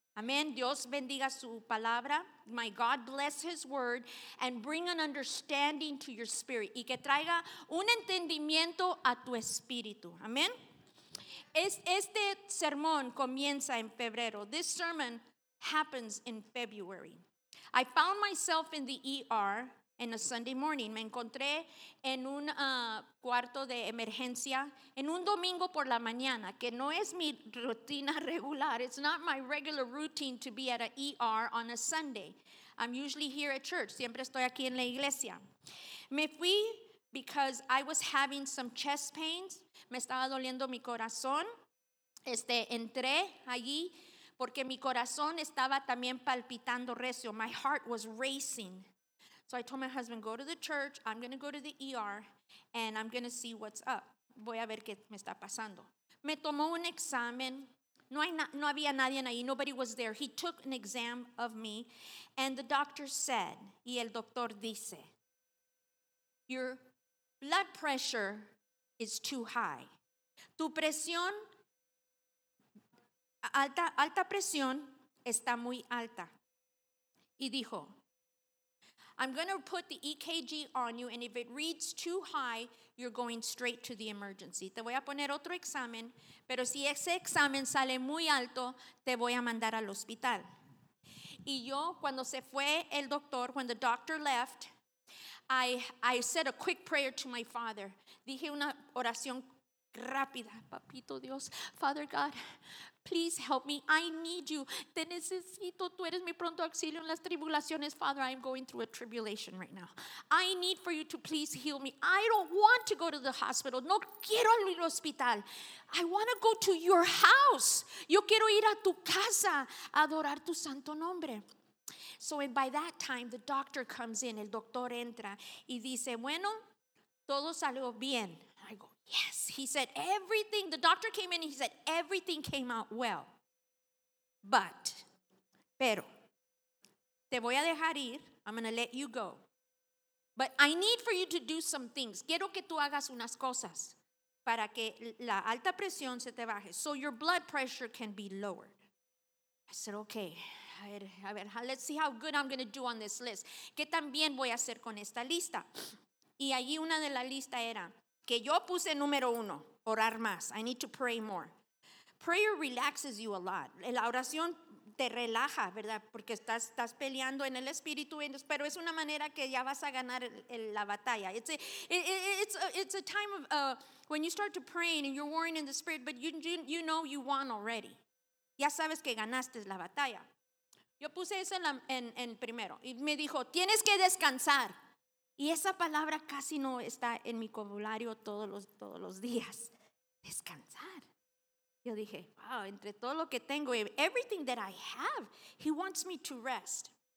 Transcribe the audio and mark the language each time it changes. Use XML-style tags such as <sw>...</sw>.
<es>Amen. Dios bendiga su palabra.</es> <en>May God bless his word and bring an understanding to your spirit.</en> <es>Y que traiga un entendimiento a tu espíritu. Amen. Este sermón comienza en febrero.</es> <en>This sermon happens in February. I found myself in the ER in a Sunday morning.</en> <es>Me encontré en un cuarto de emergencia en un domingo por la mañana, que no es mi rutina regular.</es> <en>It's not my regular routine to be at an ER on a Sunday. I'm usually here at church.</en> <es>Siempre estoy aquí en la iglesia. Me fui</es> <en>because I was having some chest pains.</en> <es>Me estaba doliendo mi corazón. Entré allí porque mi corazón estaba también palpitando recio.</es> <en>My heart was racing. So I told my husband, go to the church, I'm going to go to the ER, and I'm going to see what's up.</en> <es>Voy a ver qué me está pasando. Me tomó un examen. No había nadie ahí. Nobody was there.</es> <en>He took an exam of me, and the doctor said,</en> <es>y el doctor dice,</es> <en>your blood pressure is too high.</en> <es>Tu presión, alta presión, está muy alta. Y dijo,</es> <en>I'm going to put the EKG on you, and if it reads too high, you're going straight to the emergency.</en> <es>Te voy a poner otro examen, pero si ese examen sale muy alto, te voy a mandar al hospital. Y yo, cuando se fue el doctor,</es> <en>when the doctor left, I said a quick prayer to my father.</en> <es>Dije una oración rápida. Papito Dios,</es> <en>Father God, please help me. I need you.</en> <es>Te necesito. Tú eres mi pronto auxilio en las tribulaciones.</es> <en>Father, I'm going through a tribulation right now. I need for you to please heal me. I don't want to go to the hospital.</en> <es>No quiero ir al hospital.</es> <en>I want to go to your house.</en> <es>Yo quiero ir a tu casa a adorar tu santo nombre.</es> <en>So, and by that time, the doctor comes in.</en> <es>El doctor entra y dice, bueno, todo salió bien.</es> <en>I go, yes. He said, everything. The doctor came in and he said, everything came out well. But,</en> <es>pero, te voy a dejar ir.</es> <en>I'm going to let you go. But I need for you to do some things.</en> <es>Quiero que tú hagas unas cosas para que la alta presión se te baje.</es> <en>So your blood pressure can be lowered. I said, okay.</en> <es>A ver,</es> <en>let's see how good I'm going to do on this list.</en> <es>¿Qué también voy a hacer con esta lista? Y allí una de la lista era que yo puse número uno, orar más.</es> <en>I need to pray more. Prayer relaxes you a lot.</en> <es>La oración te relaja, ¿verdad? Porque estás peleando en el espíritu, pero es una manera que ya vas a ganar la batalla.</es> <en>It's a time of when you start to pray and you're warring in the spirit, but you know you won already.</en> <es>Ya sabes que ganaste la batalla. Yo puse eso en primero y me dijo, tienes que descansar. Y esa palabra casi no está en mi vocabulario todos los días. Descansar. Yo dije,</es> <en>wow,</en> <es>entre todo lo que tengo,</es> <en>everything that I have, he wants me to rest.</en>